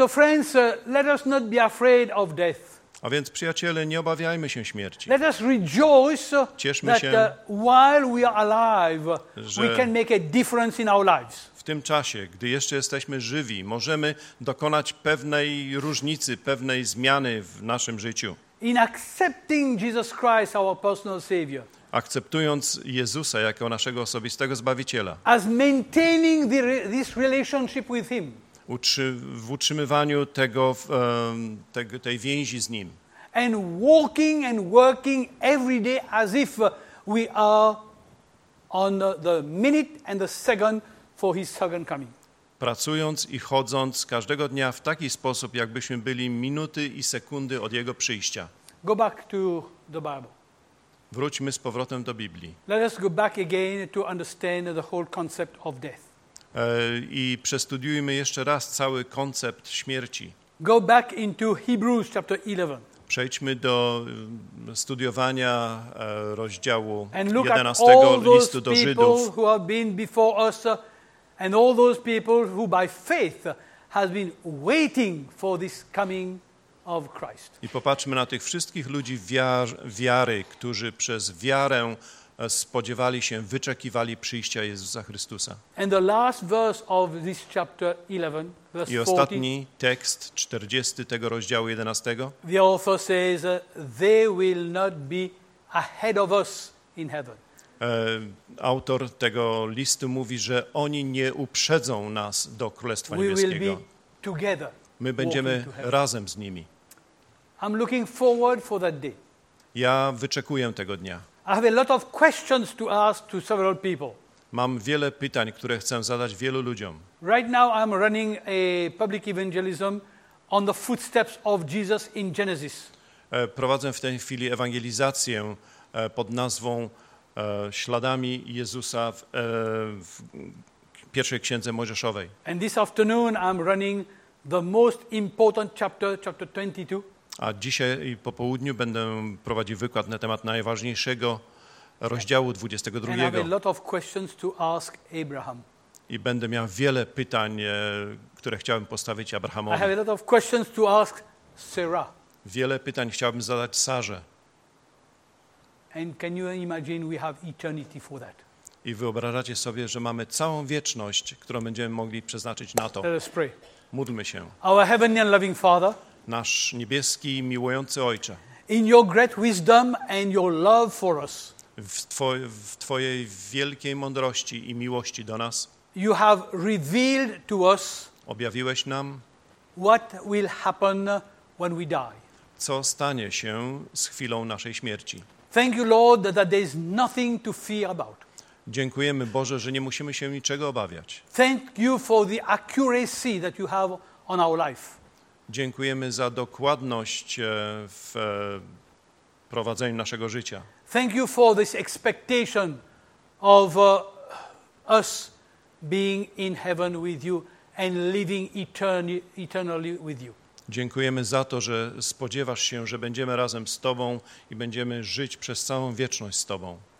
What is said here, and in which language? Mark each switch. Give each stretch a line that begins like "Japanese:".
English: So friends, let us not be afraid of death.
Polish: A więc przyjaciele, nie obawiajmy się śmierci.
English: Let us rejoice.
Polish: Cieszmy
English: that
Polish: się,
English: while we are alive, we can make a difference in our lives.
Polish: W tym czasie, gdy jeszcze jesteśmy żywi, możemy dokonać pewnej różnicy, pewnej zmiany w naszym życiu.
English: In accepting Jesus Christ, our personal savior.
Polish: Akceptując Jezusa jako naszego osobistego zbawiciela.
English: As maintaining this relationship with him.
Polish: W utrzymywaniu tego, tej więzi z Nim.
English: And walking and working every day as if we are on the minute and the second for His second coming.
Polish: Pracując i chodząc każdego dnia w taki sposób, jakbyśmy byli minuty i sekundy od Jego przyjścia.
English: Go back to the Bible.
Polish: Wróćmy z powrotem do Biblii.
English: Let us go back again to understand the whole concept of death.
Polish: I przestudiujmy jeszcze raz cały koncept śmierci.
English: Go back into Hebrews chapter 11.
Polish: Przejdźmy do studiowania rozdziału 11 listu do Żydów.
English: People who have been before us and all those people who by faith have been waiting for this coming of Christ.
Polish: I popatrzmy na tych wszystkich ludzi wiary, którzy przez wiarę spodziewali się, wyczekiwali przyjścia Jezusa Chrystusa.
English: And the last verse of this chapter 11, verse
Polish: 40, i ostatni tekst, 40 tego rozdziału 11.
English: The author says, they will not be ahead of us in heaven.
Polish: Autor tego listu mówi, że oni nie uprzedzą nas do Królestwa Niebieskiego.
English: We will be together.
Polish: My będziemy razem z nimi.
English: I'm looking forward for that day.
Polish: Ja wyczekuję tego dnia.
English: I have a lot of questions to ask to several people.
Polish: Mam wiele pytań, które chcę zadać wielu ludziom.
English: Right now I'm running a public evangelism on the footsteps of Jesus in Genesis.
Polish: Prowadzę w tej chwili ewangelizację pod nazwą śladami Jezusa w pierwszej księdze Mojżeszowej.
English: And this afternoon I'm running the most important chapter, chapter 22.
Polish: A dzisiaj po południu będę prowadził wykład na temat najważniejszego rozdziału 22.
English: And I have a lot of questions to ask Abraham.
Polish: I będę miał wiele pytań, które chciałbym postawić Abrahamowi.
English: I have a lot of questions to ask Sarah.
Polish: Wiele pytań chciałbym zadać Sarze.
English: And can you imagine we have eternity for that?
Polish: I wyobrażacie sobie, że mamy całą wieczność, którą będziemy mogli przeznaczyć na to.
English: Let us pray.
Polish: Módlmy się.
English: Our heavenly and loving Father.
Polish: Nasz niebieski, miłujący Ojcze.
English: in your great wisdom and your love for us.
Polish: W twojej wielkiej mądrości i miłości do nas.
English: You have revealed to us.
Polish: Objawiłeś nam.
English: What will happen when we die?
Polish: Co stanie się z chwilą naszej śmierci?
English: Thank you, Lord, that there is nothing to fear about.
Polish: Dziękujemy Boże, że nie musimy się niczego obawiać.
English: Thank you for the accuracy that you have on our life.
Polish: Dziękujemy za dokładność w prowadzeniu naszego życia.
English: Thank you for this expectation of us being in heaven with you and living eternally with you.
Polish: Dziękujemy za to, że spodziewasz się, że będziemy razem z Tobą i będziemy żyć przez całą wieczność z Tobą.